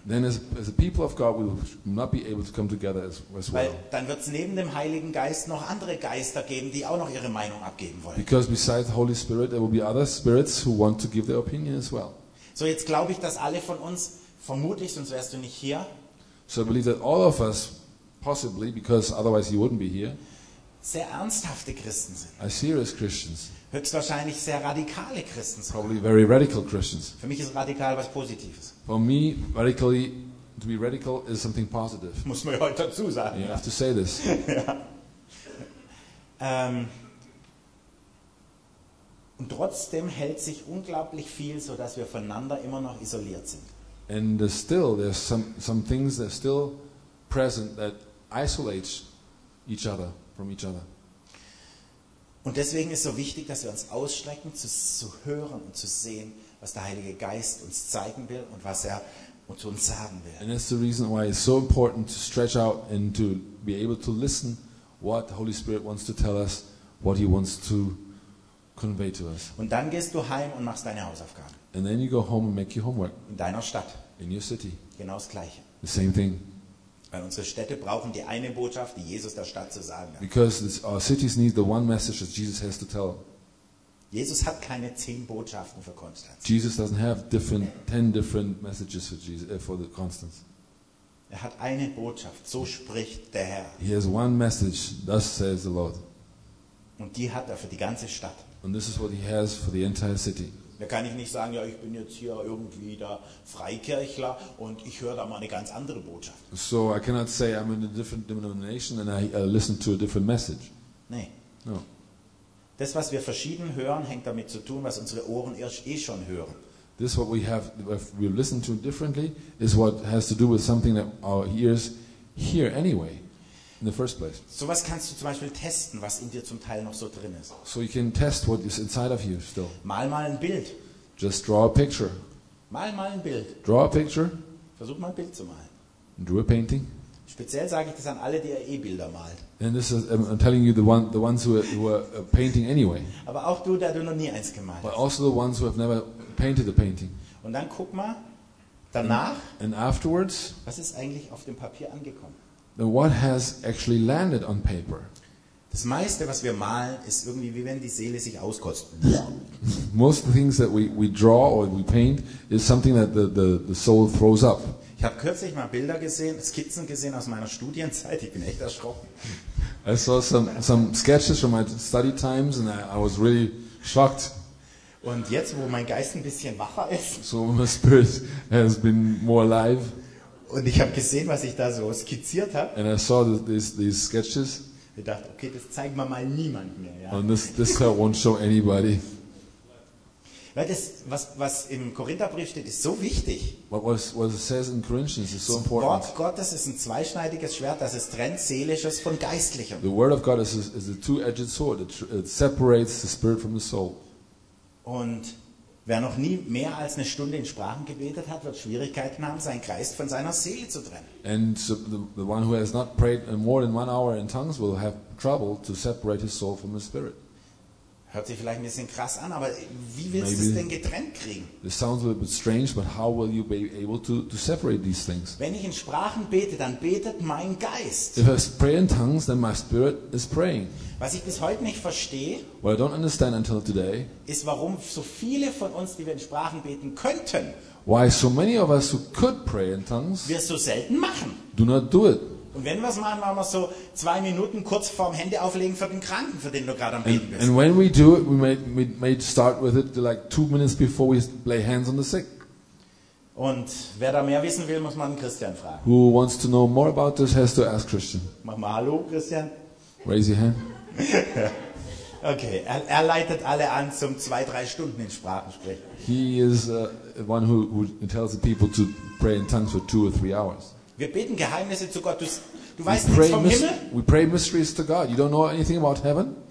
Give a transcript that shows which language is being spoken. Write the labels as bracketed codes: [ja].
[en] Then as a people of God we will not be able to come together as well. [de] Weil dann wird es neben dem Heiligen Geist noch andere Geister geben, die auch noch ihre Meinung abgeben wollen. [en] Because besides the Holy Spirit there will be other spirits who want to give their opinion as well. [de] So, jetzt glaube ich, dass alle von uns vermutlich, sonst wärst du nicht hier. [en] So I believe that all of us possibly because otherwise you wouldn't be here. [de] Sehr ernsthafte Christen sind. [en] As serious Christians. [de] Höchstwahrscheinlich sehr radikale Christen. [en] Probably very radical Christians. [de] Für mich ist radikal was Positives. [en] For me, radically, to be radical is something positive. [de] Muss man ja heute dazu sagen. [en] You have to say this. [de] Und trotzdem hält sich unglaublich viel, so dass wir voneinander immer noch isoliert sind. [en] And still, there's some things that are still present that isolates each other from each other. [de] Und deswegen ist so wichtig, dass wir uns ausstrecken, zu hören und zu sehen, was der Heilige Geist uns zeigen will und was er uns sagen will. [en] And that's the reason why it's so important to stretch out and to be able to listen what the Holy Spirit wants to tell us, what he wants to convey to us. [de] Und dann gehst du heim und machst deine Hausaufgaben. [en] And then you go home and make your homework. [de] In deiner Stadt. [en] In your city. [de] Genau das Gleiche. [en] The same thing. [de] Weil unsere Städte brauchen die eine Botschaft, die Jesus der Stadt zu sagen hat. [en] Because our cities need the one message that Jesus has to tell. [de] Jesus hat keine 10 Botschaften für Konstanz. [en] Jesus doesn't have 10 different messages for the Constance. [de] Er hat eine Botschaft, so spricht der Herr. [en] He has one message, thus says the Lord. [de] Und die hat er für die ganze Stadt. [en] And this is what he has for the entire city. [de] Da kann ich nicht sagen, ja, ich bin jetzt hier irgendwie der Freikirchler und ich höre da mal eine ganz andere Botschaft. [en] So I cannot say I'm in a different denomination and I listen to a different message. [de] Nee. [en] No. [de] Das, was wir verschieden hören, hängt damit zu tun, was unsere Ohren eh schon hören. [en] This what we listen to differently is what has to do with something that our ears hear anyway. In the first place. [de] So was kannst du zum Beispiel testen, was in dir zum Teil noch so drin ist. [en] So you can test what is inside of you still. [de] Mal ein Bild. [en] Just draw a picture. [de] Mal ein Bild. [en] Draw a picture. [de] Versuch mal ein Bild zu malen. [en] And draw a painting. [de] Speziell sage ich das an alle, die ihr Bilder malt. [en] And this is, I'm telling you the ones who are painting anyway. [de] Aber auch du, der du noch nie eins gemalt hast. [en] But also the ones who have never painted a painting. [de] Und dann guck mal danach. [en] And afterwards. [de] Was ist eigentlich auf dem Papier angekommen? [en] What has actually landed on paper? [de] Das meiste, was wir malen, ist irgendwie, wie wenn die Seele sich auskotzt. [en] Most things that we draw or we paint is something that the soul throws up. [de] Ich habe kürzlich mal Bilder gesehen, Skizzen gesehen aus meiner Studienzeit. Ich bin echt erschrocken. [en] I saw some sketches from my study times and I was really shocked. [de] Und jetzt, wo mein Geist ein bisschen wacher ist. [en] So my spirit has been more alive. [de] Und ich habe gesehen, was ich da so skizziert habe. [en] And I saw these sketches. [de] Ich dachte, okay, das zeigen wir mal niemand mehr. Ja. [en] And this I won't show anybody. [de] Weil das, was im Korintherbrief steht, ist so wichtig. [en] What it says in Corinthians is so important. [de] Wort Gottes ist ein zweischneidiges Schwert, das es trennt Seelisches von Geistlichem. [en] The word of God is a two-edged sword. It separates the spirit from the soul. [de] Und Wer noch nie mehr als eine Stunde in Sprachen gebetet hat, wird Schwierigkeiten haben, seinen Geist von seiner Seele zu trennen. [en] And so the one who has not prayed more than 1 hour in tongues will have trouble to separate his soul from his spirit. [de] Hört sich vielleicht ein bisschen krass an, aber wie willst du es denn getrennt kriegen? [en] This sounds a little bit strange, but how will you be able to separate these things? [de] Wenn ich in Sprachen bete, dann betet mein Geist. [en] If I pray in tongues, then my spirit is praying. [de] Was ich bis heute nicht verstehe, [en] what I don't understand until today, [de] ist, warum so viele von uns, die wir in Sprachen beten könnten, [en] why so many of us who could pray in tongues, [de] wir so selten machen. [en] Do not do it. [de] Und wenn wir es machen, machen wir so 2 Minuten kurz vorm Hände auflegen für den Kranken, für den du gerade am Beten bist. [en] And when we do it, we may start with it like 2 minutes before we lay hands on the sick. [de] Und wer da mehr wissen will, muss man Christian fragen. [en] Who wants to know more about this has to ask Christian. [de] Mach mal Hallo, Christian. [en] Raise your hand. [de] Okay, er leitet alle an zum 2-3 Stunden in Sprachen sprechen. [en] He is one who tells the people to pray in tongues for 2 or 3 hours. [de] Wir beten Geheimnisse zu Gott. Du weißt nichts vom Himmel. [en] We pray mysteries to God. You don't know anything about heaven.